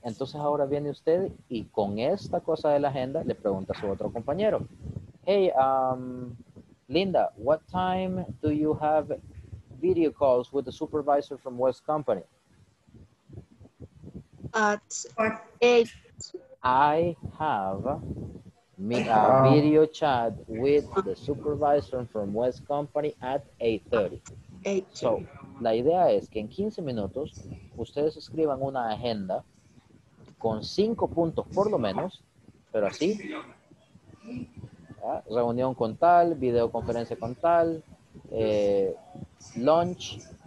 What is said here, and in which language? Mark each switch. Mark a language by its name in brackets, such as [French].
[Spanish] Entonces ahora viene usted y con esta cosa de la agenda le pregunta a su otro compañero. [English] Hey, Linda, what time do you have video calls with the supervisor from West Company? At 8. I have a video chat with the supervisor from West Company at 8:30. [Spanish] So, la idea es que en 15 minutos ustedes escriban una agenda con 5 puntos por lo menos, pero así. ¿Ya? Reunión con tal, videoconferencia con tal, lunch.